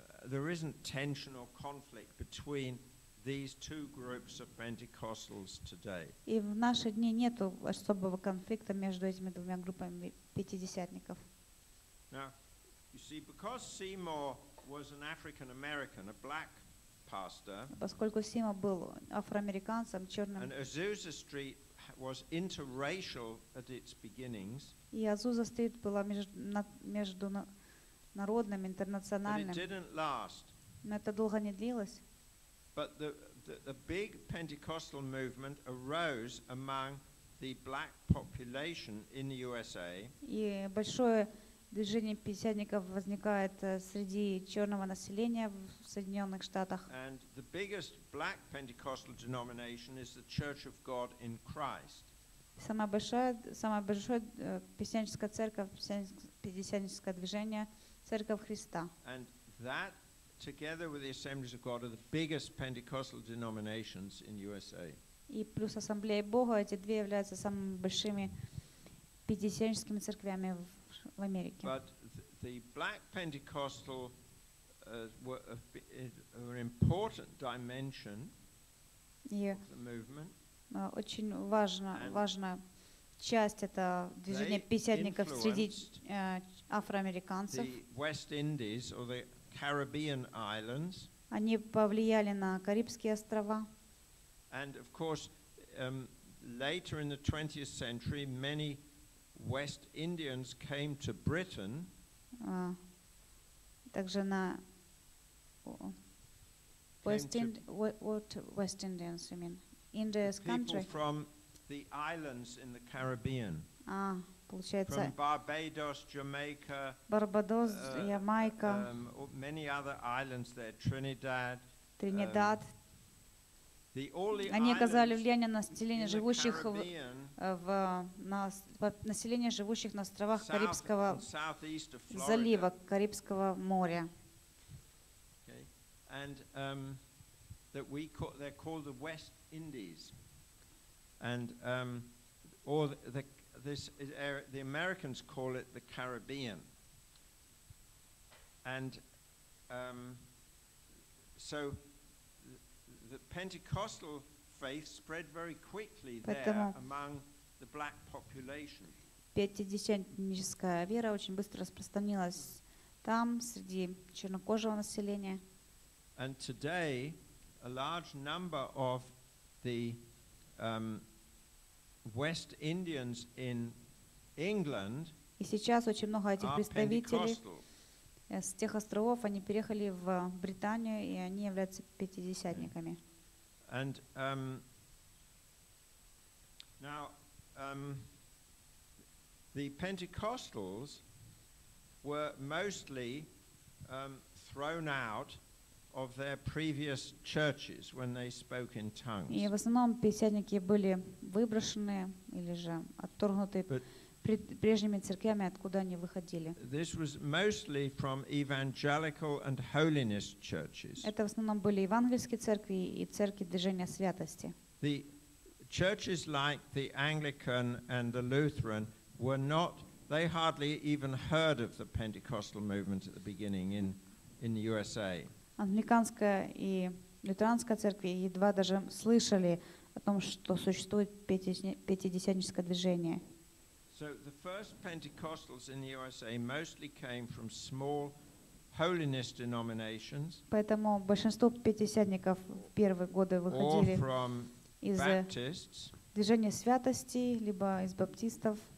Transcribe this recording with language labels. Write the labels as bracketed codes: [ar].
[en] There isn't tension or conflict between these two groups of Pentecostals today. [ru] И в наши дни нету особого конфликта между этими двумя группами пятидесятников. [en] Now, you see, because Seymour was an African American, a black pastor. [ru] Поскольку Сеймур был афроамериканцем, черным. [en] And Azusa Street was interracial at its beginnings. [ru] И Азуза Стрит была между народным, интернациональным. [en] But it didn't last. [ru] Но это долго не длилось. [en] But the big Pentecostal movement arose among the black population in the USA. [ru] И большое движение пятидесятников возникает среди черного населения в Соединенных Штатах. [en] And the biggest black Pentecostal denomination is the Church of God in Christ. [ru] Самая большая пятидесятническая церковь, пятидесятническое движение, Церковь Христа. [en] And that, together with the Assemblies of God, are the biggest Pentecostal denominations in USA. [ru] И плюс Ассамблея Бога, эти две являются самыми большими пятидесятническими церквями в Америке. [en] But the black Pentecostal were an important dimension of the movement. [ru] Очень важная часть это движение пятидесятников среди афроамериканцев. Они повлияли на Карибские острова. [en] And of course, later in the 20th century, many West Indians came to Britain. [ru] Также на [en] West Indians, you mean? India's country. People from the islands in the Caribbean. [ru] Получается. [en] From Barbados, Jamaica. [ru] Барбадос, Ямайка. [en] Many other islands there, Trinidad. [ru] Тринидад. Они оказали влияние на население живущих на островах Карибского залива, Карибского моря. [en] Okay. And that we call, they're called the West Indies, and or the Americans call it the Caribbean, and so the Pentecostal faith spread very quickly there among the black population. [ru] Пятидесятническая вера очень быстро распространилась там среди чернокожего населения. [en] And today, a large number of the West Indians in England. [ru] И сейчас очень много этих представителей с тех островов, они переехали в Британию, и они являются пятидесятниками. [en] And the Pentecostals were mostly thrown out of their previous churches when they spoke in tongues. [ru] И в основном пятидесятники были выброшены или же отторгнуты прежними церквями, откуда они выходили. [en] This was mostly from evangelical and holiness churches. [ru] Это в основном были евангельские церкви и церкви движения святости. [en] The churches like the Anglican and the Lutheran were not They hardly even heard of the Pentecostal movement at the beginning in the USA. [ru] Англиканская и лютеранская церкви едва даже слышали о том, что существует пятидесятническое движение. [en] So the first Pentecostals in the USA mostly came from small holiness denominations. [ru] Поэтому большинство пятидесятников в первые годы выходили из движения святости либо из баптистов.